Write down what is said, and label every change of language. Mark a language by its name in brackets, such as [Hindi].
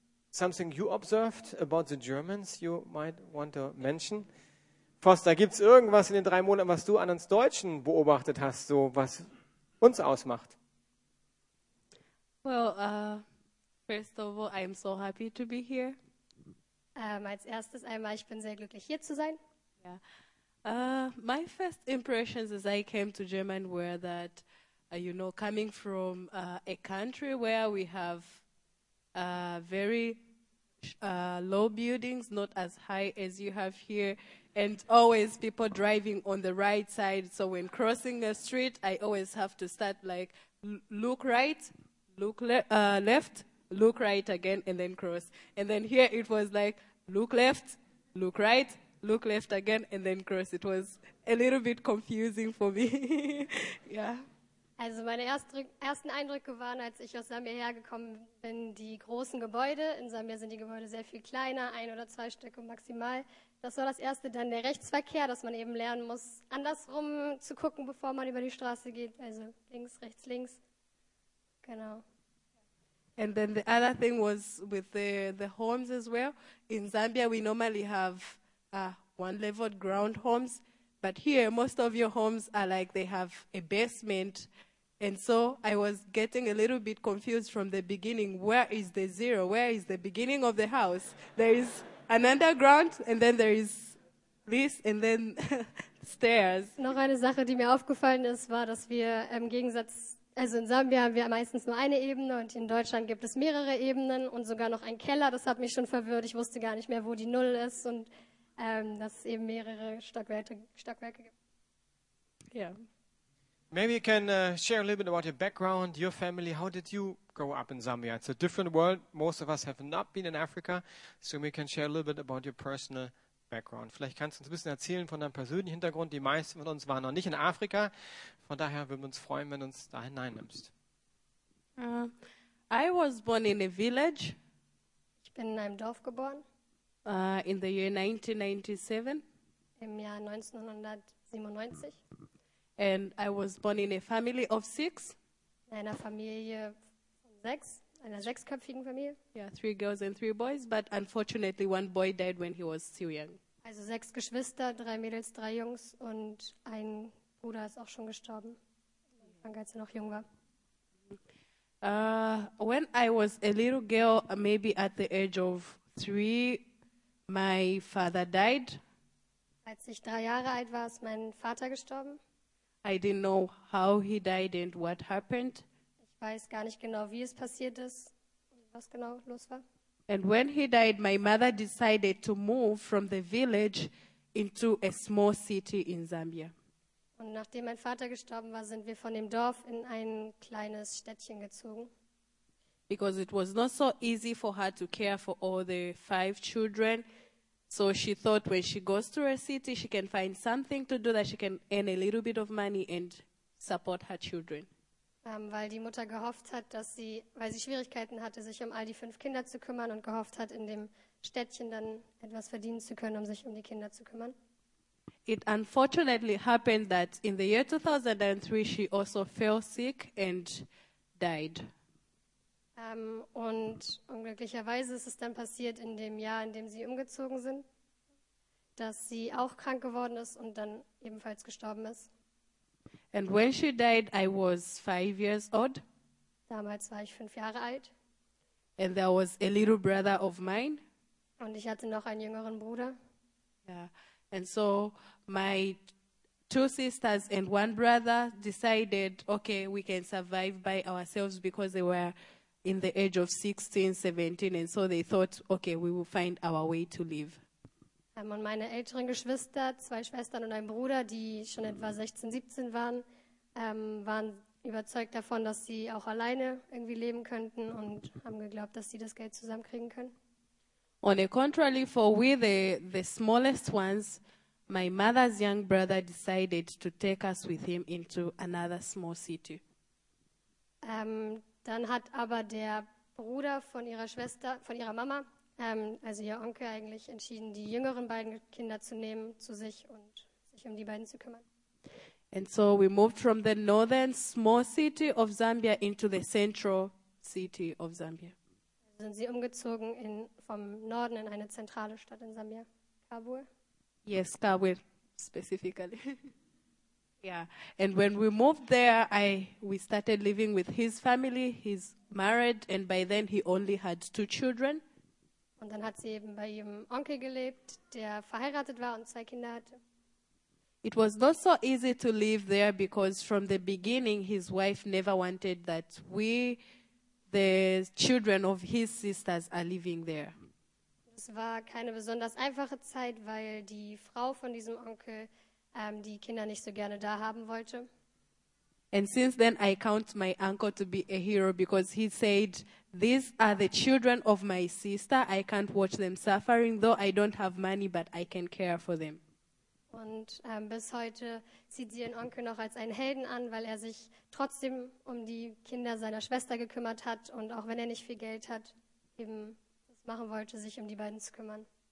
[English] Something you observed about the Germans you might want to mention. [German] Foster, gibt's irgendwas in den 3 Monaten, was du an uns Deutschen beobachtet hast, so was uns ausmacht? [English] Well, first of all, I'm so happy to be here. [German] Als erstes einmal, ich bin sehr glücklich, hier zu sein. Ja. [English] Yeah. My first impressions as I came to Germany were that, you know, coming from a country where we have very low buildings, not as high as you have here, and always people driving on the right side. So when crossing a street, I always have to start like, look right, look left, look right again, and then cross. And then here it was like, look left, look right, look left again and then cross. It was a little bit confusing for me. Yeah. [German] Also meine ersten Eindrücke waren, als ich aus Sambia hergekommen bin, die großen Gebäude. In Sambia sind die Gebäude sehr viel kleiner, 1 oder 2 Stücke maximal. Das war das erste, dann der Rechtsverkehr, dass man eben lernen muss, andersrum zu gucken, bevor man über die Straße geht. Also links, rechts, links. Genau. [English] And then the other thing was with the homes as well. In Sambia we normally have one-leveled ground homes, but here most of your homes are like they have a basement, and so I was getting a little bit confused from the beginning. Where is the zero? Where is the beginning of the house? There is an underground, and then there is this, and then stairs. [German] Noch eine Sache, die mir aufgefallen ist, war, dass wir im Gegensatz, also in Sambia haben wir meistens nur eine Ebene und in Deutschland gibt es mehrere Ebenen und sogar noch einen Keller. Das hat mich schon verwirrt. Ich wusste gar nicht mehr, wo die Null ist und dass es eben mehrere Stockwerke gibt. [English] Yeah. Maybe you can share a little bit about your background, your family. How did you grow up in Zambia? It's a different world. Most of us have not been in Africa. So maybe you can share a little bit about your personal background. [German] Vielleicht kannst du uns ein bisschen erzählen von deinem persönlichen Hintergrund. Die meisten von uns waren noch nicht in Afrika. Von daher würden wir uns freuen, wenn du uns da hineinnimmst. [English] I was born in a village. [German] Ich bin in einem Dorf geboren. [English] In the year 1997. [German] Im Jahr 1997. [English] And I was born in a family of 6. [German] In einer Familie von 6. einer sechsköpfigen Familie. [English] Yeah, three girls and three boys, but unfortunately one boy died when he was still young. [German] Also sechs Geschwister, drei Mädels, drei Jungs und ein Bruder ist auch schon gestorben, als er noch jung war. [English] When I was a little girl, maybe at the age of 3, my father died. [German] Als ich 3 Jahre alt war, ist mein Vater gestorben. [English] I didn't know how he died and what happened. [German] Ich weiß gar nicht genau, wie es passiert ist und was genau los war. [English] And when he died, my mother decided to move from the village into a small city in Zambia. [German] Und nachdem mein Vater gestorben war, sind wir von dem Dorf in ein kleines Städtchen gezogen. [English] Because it was not so easy for her to care for all the 5 children. So she thought when she goes to a city, she can find something to do that she can earn a little bit of money and support her children. [German] Weil die Mutter gehofft hat, dass sie, weil sie Schwierigkeiten hatte, sich um all die 5 Kinder zu kümmern und gehofft hat, in dem Städtchen dann etwas verdienen zu können, um sich um die Kinder zu kümmern. [English] It unfortunately happened that in the year 2003 she also fell sick and died. [German] Und unglücklicherweise ist es dann passiert in dem Jahr, in dem sie umgezogen sind, dass sie auch krank geworden ist und dann ebenfalls gestorben ist. [English] And when she died, I was 5 years old. [German] Damals war ich 5 Jahre alt. [English] And there was a little brother of mine. [German] Und ich hatte noch einen jüngeren Bruder. [English] Yeah. And so my 2 sisters and 1 brother decided, okay, we can survive by ourselves because they were in the age of 16, 17. And so they thought, okay, we will find our way to live. [German] Und meine älteren Geschwister, 2 Schwestern und ein Bruder, die schon etwa 16, 17 waren, waren überzeugt davon, dass sie auch alleine irgendwie leben könnten und haben geglaubt, dass sie das Geld zusammenkriegen können. [English] On the contrary, for we the smallest ones, my mother's young brother decided to take us with him into another small city. [German] Dann hat aber der Bruder von ihrer Schwester, von ihrer Mama, also ihr Onkel eigentlich, entschieden, die jüngeren beiden Kinder zu nehmen zu sich und sich um die beiden zu kümmern. [English] And so we moved from the northern small city of Zambia into the central city of Zambia. [German] Sind sie umgezogen in, vom Norden in eine zentrale Stadt in Zambia, Kabul? [English] Yes, Kabul, specifically. Yeah, and when we moved there, we started living with his family. He's married, and by then he only had 2 children. [German] Und dann hat sie eben bei ihrem Onkel gelebt, der verheiratet war und 2 Kinder hatte. [English] It was not so easy to live there because from the beginning his wife never wanted that we, the children of his sisters, are living there. [German] Es war keine besonders einfache Zeit, weil die Frau von diesem Onkel die Kinder nicht so gerne da haben wollte. [English] And since then I count my uncle to be a hero because he said, these are the children of my sister. I can't watch them suffering, though I don't have money, but I can care for them. [German] Und bis heute sieht sie ihren Onkel noch als einen Helden an, weil er sich trotzdem um die Kinder seiner Schwester gekümmert hat und auch wenn er nicht viel Geld hat, eben das machen wollte, sich um die beiden zu kümmern.